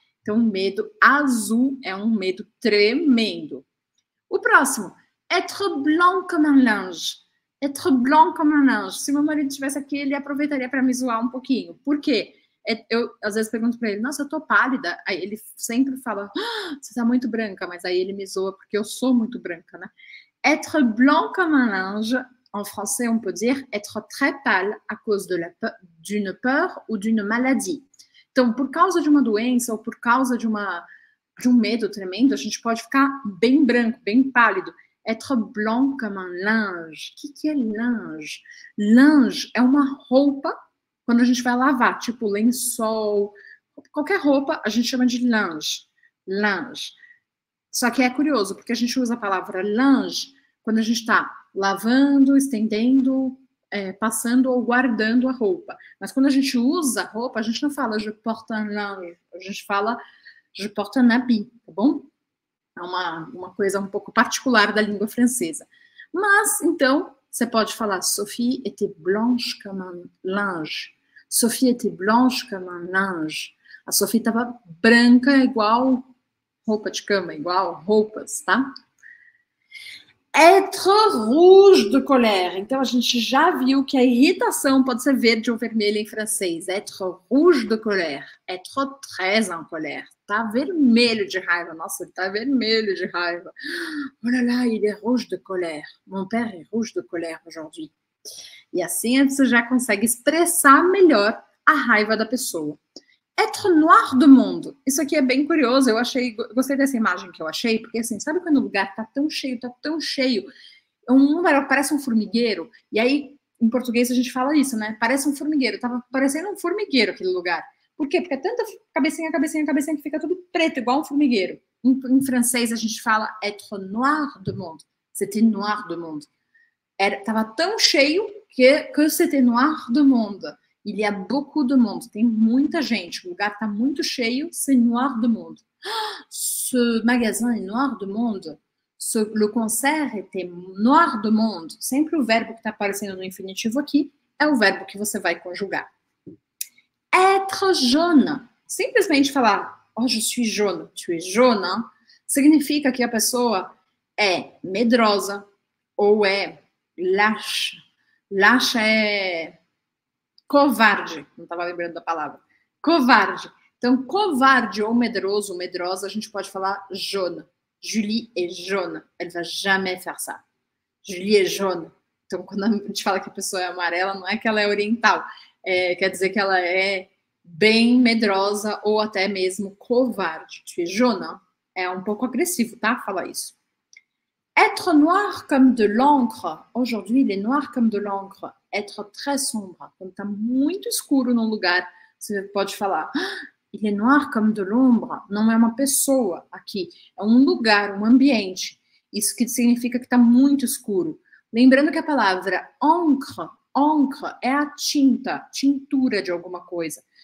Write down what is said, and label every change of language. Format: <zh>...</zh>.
<pt>Então, medo azul é um medo tremendo. O próximo.</pt> <fr>Être blanc comme un linge. Être blanc comme un linge.</fr> <pt>Se meu marido estivesse aqui, ele aproveitaria para me zoar um pouquinho. Por quê? Eu às vezes pergunto para ele, nossa, eu tô pálida. Aí ele sempre fala, ah, você tá muito branca. Mas aí ele me zoa porque eu sou muito branca, né?</pt> <fr>Être blanc comme un linge. En français, on peut dire être très pâle à cause d'une peur ou d'une maladie.</fr> <pt>Então, por causa de uma doença ou por causa de um medo tremendo, a gente pode ficar bem branco, bem pálido.</pt> <fr>Être blanc comme un linge.</fr> <pt>O que é linge? Linge é uma roupa quando a gente vai lavar, tipo lençol, qualquer roupa, a gente chama de linge. Linge. Só que é curioso, porque a gente usa a palavra linge quando a gente está lavando, estendendo, passando ou guardando a roupa. Mas quando a gente usa a roupa, a gente não fala</pt> <fr>je porte un linge,</fr> <pt>a gente fala</pt> <fr>je porte un habit,</fr> <pt>tá bom? É uma coisa um pouco particular da língua francesa. Mas, então, você pode falar</pt> <fr>Sophie était blanche comme un linge. Sophie était blanche comme un linge.</fr> <pt>A Sophie estava branca igual roupa de cama, igual roupas, tá?</pt> <fr>Être rouge de colère.</fr> <pt>Então, a gente já viu que a irritação pode ser verde ou vermelha em francês.</pt> <fr>Être rouge de colère. Être très en colère.</fr> <pt>Tá vermelho de raiva. Nossa, ele tá vermelho de raiva.</pt> <fr>Oh là là, il est rouge de colère. Mon père est rouge de colère aujourd'hui.</fr> <pt>E assim, você já consegue expressar melhor a raiva da pessoa.</pt> <fr>Être noir de monde.</fr> <pt>Isso aqui é bem curioso. Eu achei, gostei dessa imagem que eu achei. Porque assim, sabe quando o lugar tá tão cheio? Parece um formigueiro. E aí, em português a gente fala isso, né? Parece um formigueiro. Tava parecendo um formigueiro aquele lugar. Por quê? Porque é tanta cabecinha que fica tudo preto, igual um formigueiro. Em francês a gente fala</pt> <fr>être noir de monde. C'était noir de monde.</fr> <pt>Tava tão cheio que</pt> <fr>c'était noir de monde. Il y a beaucoup de monde.</fr> <pt>Tem muita gente. O lugar está muito cheio.</pt> <fr>C'est noir de monde. Ce magasin est noir de monde. Le concert était noir de monde.</fr> <pt>Sempre o verbo que está aparecendo no infinitivo aqui é o verbo que você vai conjugar.</pt> <fr>Être jaune.</fr> <pt>Simplesmente falar,</pt> <fr>oh, je suis jaune. Tu es jaune.</fr> <pt>Significa que a pessoa é medrosa ou é lâche. Lâche é covarde, não estava lembrando da palavra. Covarde. Então, covarde ou medroso, ou medrosa, a gente pode falar jaune.</pt> <fr>Julie est jaune. Elle va jamais faire ça. Julie est jaune.</fr> <pt>Então, quando a gente fala que a pessoa é amarela, não é que ela é oriental. Quer dizer que ela é bem medrosa ou até mesmo covarde.</pt> <fr>Tu es jaune.</fr> <pt>É um pouco agressivo, tá? Falar isso.</pt> <fr>Être noir comme de l'encre. Aujourd'hui, il est noir comme de l'encre. Être très sombre.</fr> <pt>Quando está muito escuro num lugar, você pode falar, ah,</pt> <fr>il est noir comme de l'ombre.</fr> <pt>Não é uma pessoa aqui. É um lugar, um ambiente. Isso que significa que está muito escuro. Lembrando que a palavra encre, encre é a tinta, tintura de alguma coisa.</pt>